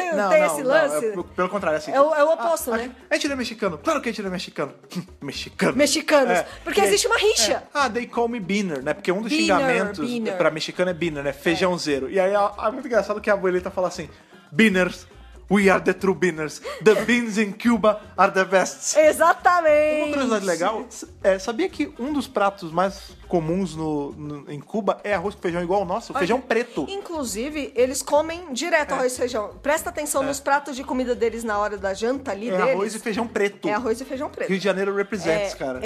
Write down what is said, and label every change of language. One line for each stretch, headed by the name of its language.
Portuguese: Não tem esse lance? Não, pelo contrário, assim. É o oposto, né? A gente não é mexicano. Claro que a gente não é mexicano. Mexicano. Mexicanos. Porque existe uma rixa.
English: É. They call me Beaner, né?
Portuguese: Porque um dos xingamentos pra mexicano é Beaner, né? Feijãozeiro. E aí é muito engraçado que a abuelita fala assim, Beaners.
English: We are the true beaners. The beans in Cuba are the best.
Portuguese: Exatamente. Uma curiosidade legal, sabia que um dos pratos mais comuns em Cuba é arroz com feijão igual o nosso? Feijão preto. Inclusive, eles comem direto arroz e feijão. Presta atenção nos pratos de comida deles na hora da janta ali deles. É arroz e feijão preto. É arroz e feijão preto.
English: Rio de Janeiro represents, cara.